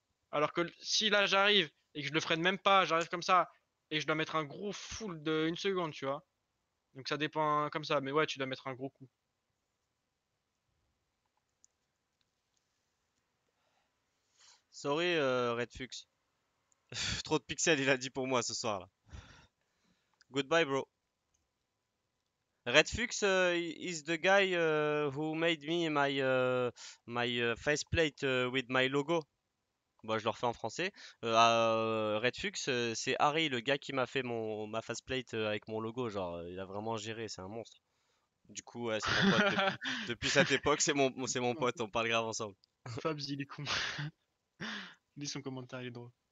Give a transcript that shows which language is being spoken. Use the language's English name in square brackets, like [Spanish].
[French] Alors que si là j'arrive et que je le freine même pas, j'arrive comme ça et je dois mettre un gros full de 1 seconde, tu vois. Donc ça dépend comme ça, mais ouais, tu dois mettre un gros coup. [English] Sorry Red Fux. [French] Trop de pixels, il a dit pour moi ce soir là. [English] Goodbye bro. Red Fux is the guy who made me my faceplate with my logo. [French] Bon, je le refais en français. Red Fux, c'est Harry, le gars qui m'a fait ma faceplate avec mon logo. Genre, il a vraiment géré, c'est un monstre. Du coup, ouais, c'est mon pote depuis cette époque, c'est mon pote, on parle grave ensemble. Fabs, il est con. Lis son commentaire, il est drôle.